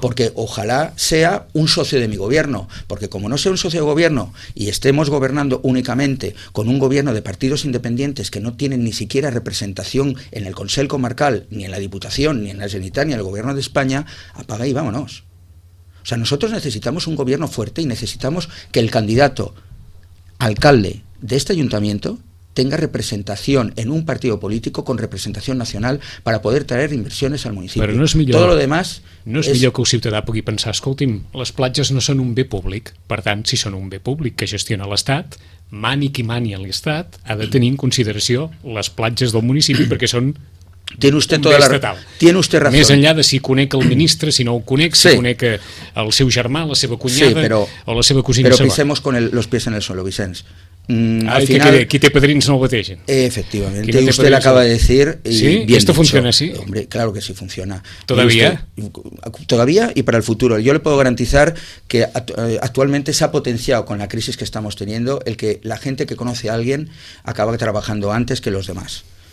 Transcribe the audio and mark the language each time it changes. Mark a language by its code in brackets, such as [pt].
[es] Porque ojalá sea un socio de mi gobierno, porque como no sea un socio de gobierno y estemos gobernando únicamente con un gobierno de partidos independientes que no tienen ni siquiera representación en el Consell Comarcal, ni en la Diputación, ni en la Generalitat, ni en el Gobierno de España, apaga y vámonos. O sea, nosotros necesitamos un gobierno fuerte y necesitamos que el candidato alcalde de este ayuntamiento tenga representación en un partido político con representación nacional para poder traer inversiones al municipio. [ca] Pero no es millor, [es] todo lo demás [ca] no es millor que un ciutadà pugui pensar, escolti'm, les platges no són un bé públic, per tant, si són un bé públic que gestiona l'Estat, mani qui mani a l'Estat, ha de tenir en consideració les platges del municipi perquè són... [es] Tiene usted toda la razón. Tiene usted razón. [ca] Més enllà de si conec el ministre, si no ho conec, si conec el seu germà, la seva cunyada, [es] sí, pero, [ca] o la seva cosina. [es] Però pisemos con los pies en el suelo, Vicenç. [ca] Al final, qui té padrins no ho bategen. [es] Efectivamente, no usted l'acaba de decir. Y sí, bien esto dicho. Funciona así. Hombre, claro que sí funciona. ¿Todavía? Usted, todavía y para el futuro. Yo le puedo garantizar que actualmente se ha potenciado con la crisis que estamos teniendo el que la gente que conoce a alguien acaba trabajando antes que los demás.